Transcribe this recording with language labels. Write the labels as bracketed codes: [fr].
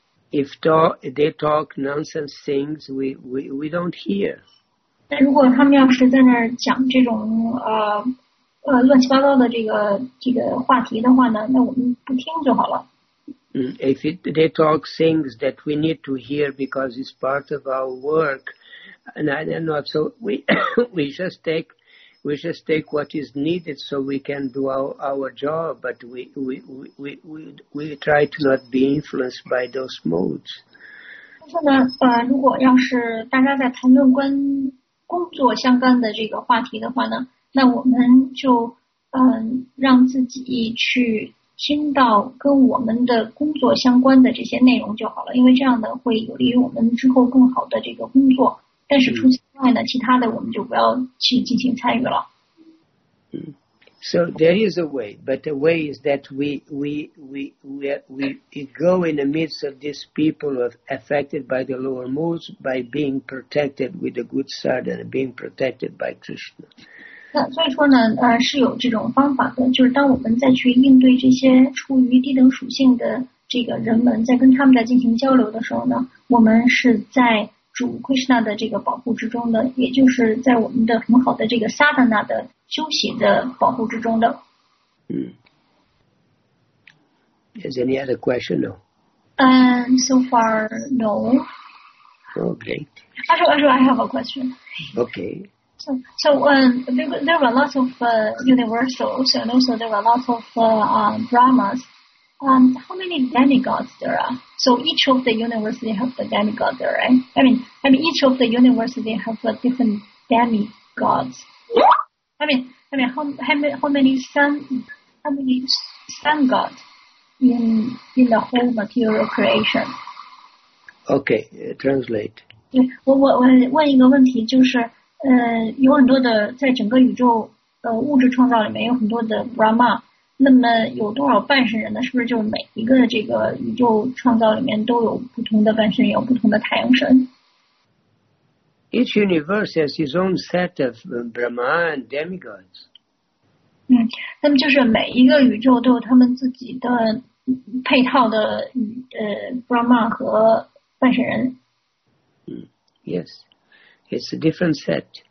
[en] If they talk nonsense things, we don't hear. [zh] 那如果他们要是在那儿讲这种乱七八糟的这个话题的话呢，那我们不听就好了。 [en] If they talk things that we need to hear because it's part of our work, and I'm not so we just take what is needed so we can do our job, but we try to not be influenced by those moods. [zh] 但是呢，如果要是大家在谈论关工作相关的这个话题的话呢？那我们就让自己去听到跟我们的工作相关的这些内容就好了，因为这样呢会有利于我们之后更好的这个工作。但是除此之外呢，其他的我们就不要去进行参与了。 [en] So there is a way, but the way is that we go in the midst of these people who are affected by the lower moods by being protected with the good sadhana, being protected by Krishna. [zh] 那所以说呢，是有这种方法的，就是当我们再去应对这些处于低等属性的这个人们，在跟他们在进行交流的时候呢，我们是在主 Krishna 的这个保护之中的，也就是在我们的很好的这个 sadhana 的休息的保护之中的。 [en] Is any other question? No. So far, no. Oh, great. Actually, I have a question. Okay. So there were lots of universals, and also there were lots of Brahmas. How many demigods there are? So each of the universes, they have the demigod there, right? I mean, each of the universes, they have different demigods. How many sun gods in the whole material creation? Okay, translate. [zh] 对，我问一个问题，就是有很多的在整个宇宙物质创造里面有很多的 Brahma， 那么有多少半身人呢？是不是就是每一个这个宇宙创造里面都有不同的半身人，有不同的太阳神？ [en] Each universe has its own set of Brahma and demigods. [zh] 那么就是每一个宇宙都有他们自己的配套的Brahma 和半身人。 [en] Yes. It's a different set.